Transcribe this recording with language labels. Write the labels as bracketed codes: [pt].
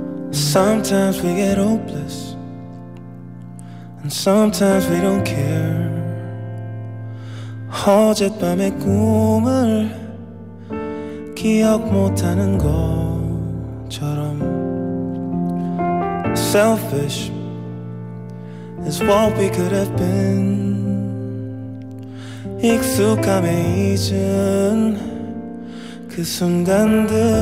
[en] Sometimes we get hopeless, and sometimes we don't care. [ko] 어젯밤의 꿈을 기억 못하는 것처럼. [en] Selfish is what we could have been. [ko] 익숙함에 잊은 그 순간들.